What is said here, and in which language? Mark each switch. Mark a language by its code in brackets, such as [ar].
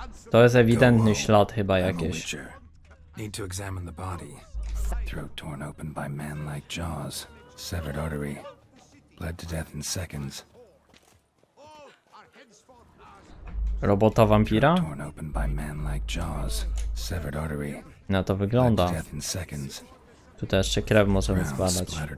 [pl] To jest ewidentny ślad chyba jakiś. [en] Need to examine the body. Throat torn open by man-like jaws. Severed artery. Bled to death in seconds. Robota vampira? Torn open by man-like jaws. [pl] Severed artery. No to wygląda. Tutaj jeszcze krew możemy zbadać.